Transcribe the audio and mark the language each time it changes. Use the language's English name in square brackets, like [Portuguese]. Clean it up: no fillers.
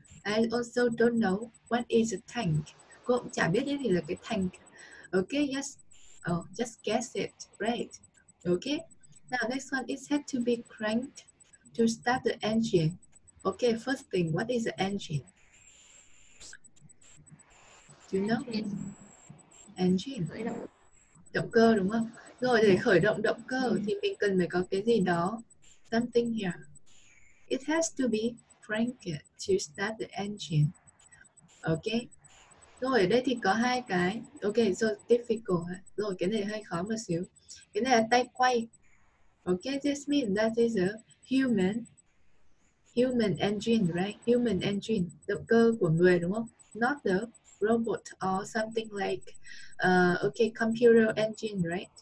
[English] I also don't know what is a tank. [Vietnamese] Cô cũng chả biết cái gì là cái tank. [English] Okay, yes. Oh, just guess it, right? Okay. Now next one, it had to be cranked to start the engine. Okay, first thing, what is the engine? Do you know? Engine. [Vietnamese] Động cơ, đúng không? Rồi, để khởi động động cơ thì mình cần phải có cái gì đó. [English] Something here. It has to be cranked to start the engine. [Vietnamese] Okay. Rồi, ở đây thì có hai cái. [English] Okay, so difficult. [Vietnamese] Rồi, cái này hơi khó một xíu. Cái này là tay quay. [English] Okay, this means that is a human engine, right? Human engine, [Vietnamese] động cơ của người đúng không? [English] Not the robot or something like, computer engine, right?